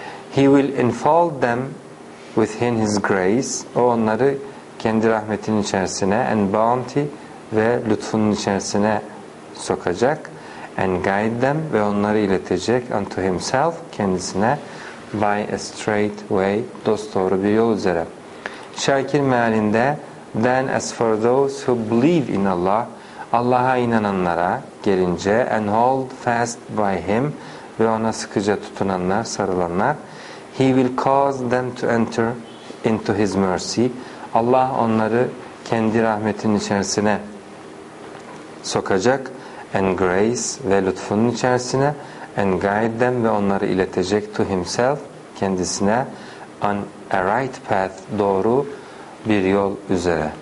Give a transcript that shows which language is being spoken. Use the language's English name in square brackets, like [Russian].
[English] He will enfold them within his grace, [Turkish] o onları kendi rahmetinin içerisine, [English] and bounty, [Turkish] ve lütfunun içerisine sokacak, [English] and guide them, [Turkish] ve onları iletecek, [English] unto himself, [Turkish] kendisine, [English] by a straight way, [Turkish] dosdoğru bir yol üzere. Şakir mealinde, [English] then as for those who believe in Allah, [Turkish] Allah'a inananlara gelince, [English] and hold fast by him, [Turkish] ve ona sıkıca tutunanlar, sarılanlar, [English] he will cause them to enter into his mercy. [Turkish] Allah onları kendi rahmetinin içerisine sokacak, [English] and grace, [Turkish] ve lütfunun içerisine, [English] and guide them, [Turkish] ve onları iletecek, [English] to himself, [Turkish] kendisine, [English] on a right path, [Turkish] doğru bir yol üzere.